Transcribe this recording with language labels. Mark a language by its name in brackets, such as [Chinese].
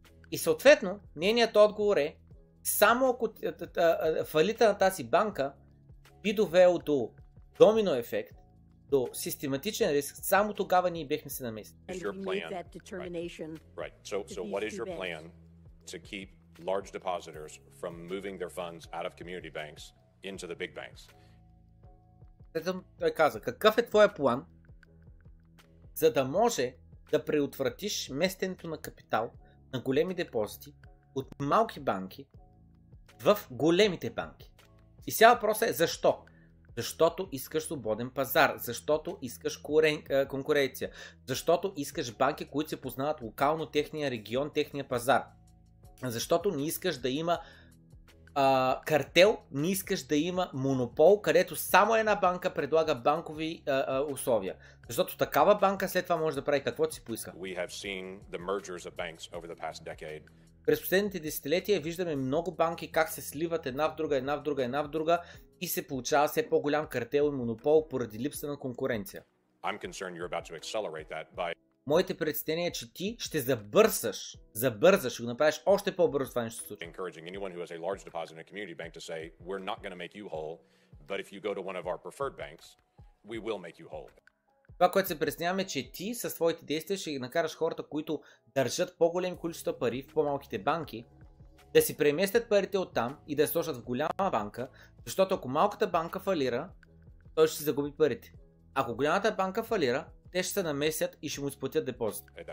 [Bulgarian] И съответно, нейният отговор е, само ако фалита на тази банка би довело до домино ефект, до систематичен риск, само тогава ние бихме се намесили. [English] Large depositors from moving their funds out of community banks into the big banks. [Bulgarian] Той каза, какъв е твоя план, за да може да предотвратиш местенето на капитал на големи депозити от малки банки в големите банки? И сега въпросът е защо? Защото искаш свободен пазар, защото искаш конкуренция, защото искаш банки, които се познават локално техния регион, техния пазар. Защото не искаш да има картел, не искаш да има монопол, където само една банка предлага банкови условия. Защото такава банка след това може да прави каквото си поиска. [English] We have seen the mergers of banks over the past decade. [Bulgarian] През последните десетилетия виждаме много банки как се сливат една в друга, една в друга, една в друга и се получава все по-голям картел и монопол поради липса на конкуренция. [English] I'm concerned you're about to accelerate that by... [Bulgarian] Моите предстояния е, че ти ще забързаш, ще го направиш още по-бързо това нещо. [English] Encouraging anyone who has a large deposit in a community bank to say, we're not going to make you whole, but if you go to one of our preferred banks, we will make you whole. [Bulgarian] Това, което се предстояваме, че ти със своите действия ще накараш хората, които държат по-големи количества пари в по-малките банки, да си преместят парите оттам и да сложат в голяма банка, защото ако малката банка фалира, той ще си загуби парите. Ако голямата банка фалира, те ще се намесят и ще му изплатят депозит.